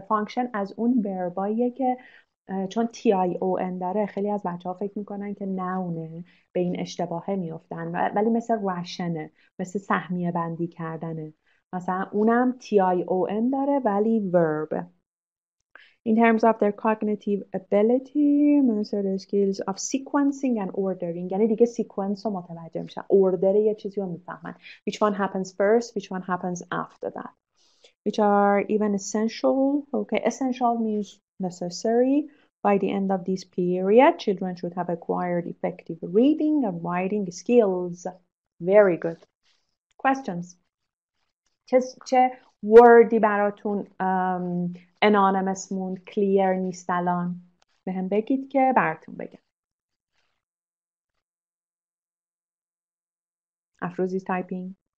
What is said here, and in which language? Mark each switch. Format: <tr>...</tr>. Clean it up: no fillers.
<fa>Function از اون verbایه که چون T-I-O-N داره خیلی از بچه ها فکر میکنن که نونه به این اشتباهه میفتن. ولی مثل rationه, مثل سهمیه بندی کردنه. مثلا اونم T-I-O-N داره ولی verb.</fa> <en>In terms of their cognitive ability, master the skills of sequencing and ordering.</en> <fa>یعنی دیگه سیکونس رو متوجه میشن. Order یه چیزی رو میفهمن.</fa> <en>Which one happens first, which one happens after that. Which are even essential. Okay, essential means necessary. By the end of this period, children should have acquired effective reading and writing skills. Very good. Questions?</en> <fa>چه وردی براتون انانمس موند کلیر نیست الان به هم بگید که براتون بگم افروزی تایپینگ</fa>